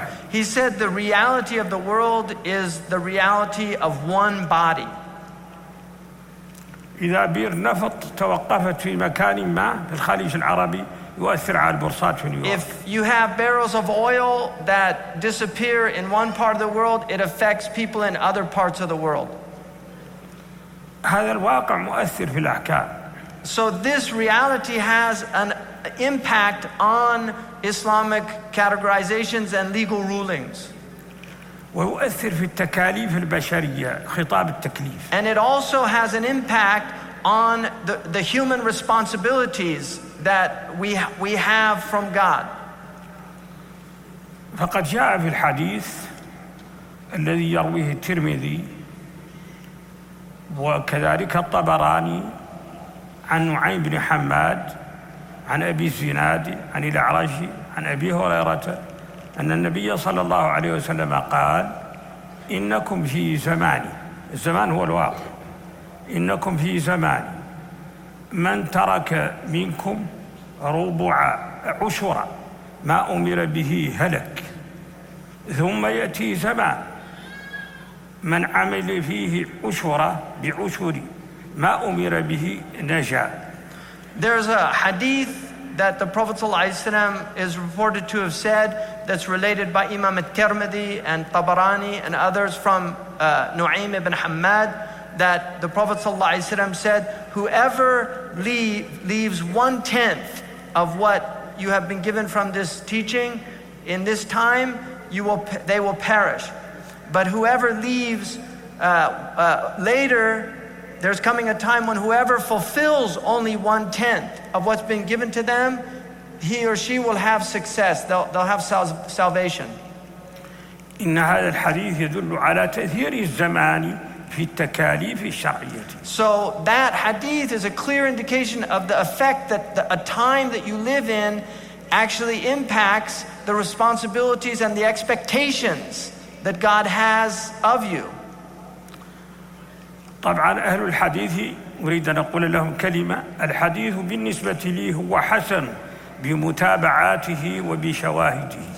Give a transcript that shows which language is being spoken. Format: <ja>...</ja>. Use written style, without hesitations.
<en>He said the reality of the world is the reality of one body.</en> <ar>إذا بئر نفط توقفت في مكان ما في الخليج العربي يؤثر على البورصات في نيويورك.</ar> <en>If you have barrels of oil that disappear in one part of the world, it affects people in other parts of the world.</en> <ar>هذا الواقع مؤثر في الأحكام.</ar> <en>So this reality has an impact on Islamic categorizations and legal rulings.</en> <ar>ويؤثر في التكاليف البشرية خطاب التكليف.</ar> <en>And it also has an impact on the human responsibilities that we have from God.</en> <ar>فقد جاء في الحديث الذي يرويه الترمذي وكذلك الطبراني عن نعيم بن حماد عن أبي الزناد عن الأعرج عن أبي هريرة أن النبي صلى الله عليه وسلم قال إنكم في زماني. الزمان هو الواقع. إنكم في زماني من ترك منكم ربع عشرة ما أمر به هلك، ثم يأتي زمان من عمل فيه عشرة بعشر ما أمر به نجا.</ar> <en>There's a hadith that the Prophet ﷺ is reported to have said that's related by Imam al-Tirmidhi and Tabarani and others from Nu'aym ibn Hammad, that the Prophet ﷺ said, whoever leaves one-tenth of what you have been given from this teaching in this time, they will perish. But whoever leaves later, there's coming a time when whoever fulfills only one-tenth of what's been given to them, he or she will have success. They'll have salvation.</en> <ar>إن هذا الحديث يدل على تأثير الزمان في التكاليف الشرعية.</ar> <en>So that hadith is a clear indication of the effect that a time that you live in actually impacts the responsibilities and the expectations that God has of you.</en> <ar>طبعا أهل الحديث أريد أن أقول لهم كلمة، الحديث بالنسبة لي هو حسن بمتابعاته وبشواهده.</ar>